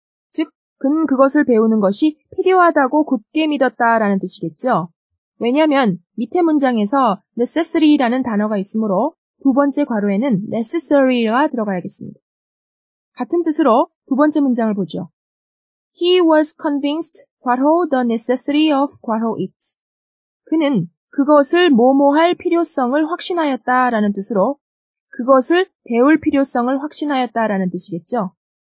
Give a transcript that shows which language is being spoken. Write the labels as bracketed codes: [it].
[ko] 즉 그는 그것을 배우는 것이 필요하다고 굳게 믿었다라는 뜻이겠죠. 왜냐하면 밑에 문장에서 necessary라는 단어가 있으므로 두 번째 괄호에는 necessary가 들어가야겠습니다. 같은 뜻으로 두 번째 문장을 보죠. [en] He was convinced 괄호 the necessity of 괄호 it. [ko] 그는 그것을 뭐뭐할 필요성을 확신하였다라는 뜻으로 그것을 배울 필요성을 확신하였다라는 뜻이겠죠.